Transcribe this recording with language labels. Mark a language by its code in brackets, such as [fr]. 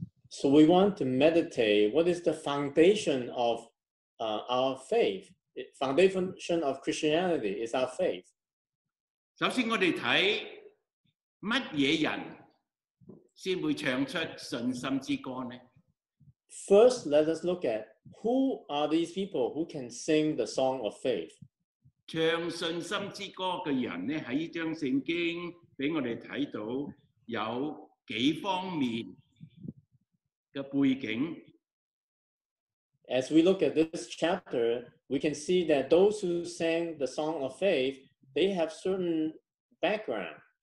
[en] So we want to meditate. What is the foundation of our faith? Foundation of Christianity is our faith. [zh] 首先我们看什么人才会唱出信心之歌呢？ [en] First, let us look at who are these people who can sing the song of faith. [zh] 唱信心之歌的人呢，在这张圣经给我们看到有几方面的背景。 [en] As we look at this chapter, we can see that those who sang the song of faith, they have certain background.